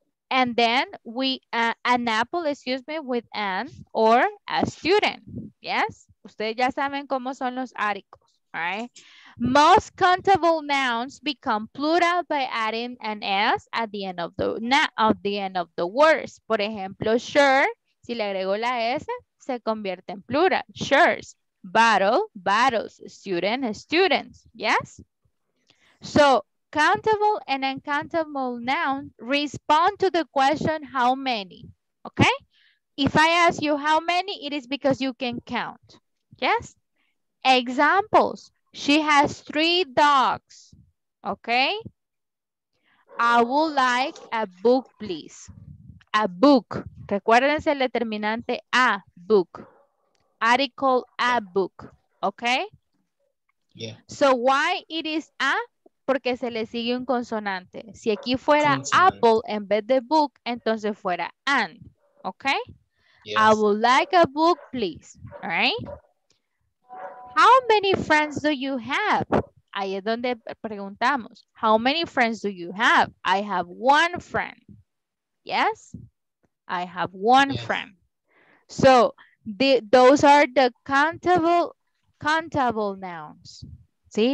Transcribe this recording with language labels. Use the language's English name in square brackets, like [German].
[English] And then we, an apple, excuse me, with an or a student. Yes? [Spanish] Ustedes ya saben cómo son los [English] articles, all right? Most countable nouns become plural by adding an S at the end of the words. [Spanish] Por ejemplo, shirt, si le agrego la S, se convierte en plural. [English] Shirts, battle, battles, student, students, yes? So, countable and uncountable nouns respond to the question how many, okay? If I ask you how many, it is because you can count, yes? Examples. She has three dogs, okay? I would like a book, please. A book. [Spanish] Recuérdense el determinante [English] a book. Article a book, okay? Yeah. So why it is a? [Spanish] Porque se le sigue un consonante. Si aquí fuera apple en vez de book, entonces fuera an, okay? [English] Yes. I would like a book, please, all right? How many friends do you have? [Spanish] Ahí es donde preguntamos. [English] How many friends do you have? I have one friend. Yes? I have one friend. So, those are the countable nouns. ¿Sí?